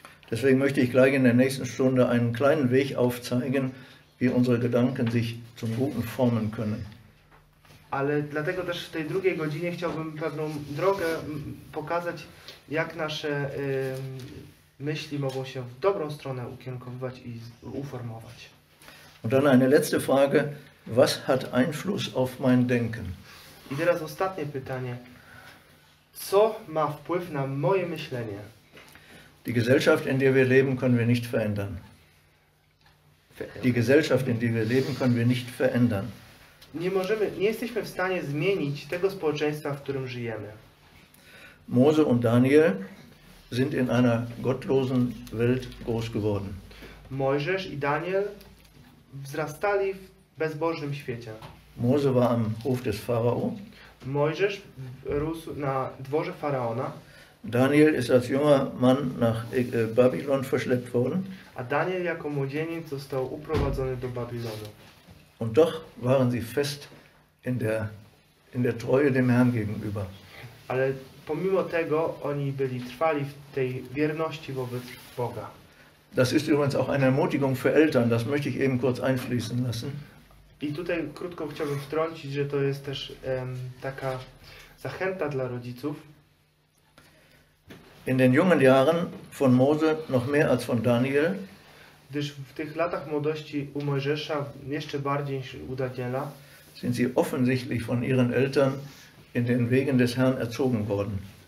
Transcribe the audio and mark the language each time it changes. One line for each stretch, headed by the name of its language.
German: Deswegen möchte ich gleich in der nächsten Stunde einen kleinen Weg aufzeigen, wie unsere Gedanken sich zum Guten formen können.
Polish: Ale dlatego też w tej drugiej godzinie chciałbym pewną drogę pokazać, jak nasze myśli mogą się w dobrą stronę ukierunkowywać i uformować.
German: Und dann eine letzte Frage. Was hat Einfluss auf mein Denken?
Polish: I teraz ostatnie pytanie. Co ma wpływ na moje myślenie?
German: Die Gesellschaft, in der wir leben, können wir nicht verändern. Die Gesellschaft, in der wir leben, können wir nicht verändern.
Polish: Nie jesteśmy w stanie zmienić tego społeczeństwa, w którym żyjemy.
German: Mose und Daniel sind in einer gottlosen Welt groß geworden.
Polish: Mojżesz i Daniel wzrastali w bezbożnym świecie.
German: Mose war am Hof des Pharao.
Polish: Mojżesz rósł na dworze Faraona.
German: Daniel ist als junger Mann nach Babylon verschleppt worden.
Polish: A Daniel jako młodzieniec został uprowadzony do Babilonu.
German: Und doch waren sie fest in der Treue dem Herrn gegenüber.
Polish: Ale pomimo tego oni byli trwali w tej wierności wobec Boga.
German: Das ist übrigens auch eine Ermutigung für Eltern, das möchte ich eben kurz einfließen lassen.
Polish: I tutaj krótko chciałbym wtrącić, że to jest też taka zachęta dla rodziców.
German: In den jungen Jahren von Mose noch mehr als von Daniel.
Polish: Gdyż w tych latach młodości u Mojżesza, jeszcze bardziej niż u Daniela,
German: sind sie offensichtlich von ihren Eltern in den Wegen des Herrn erzogen worden.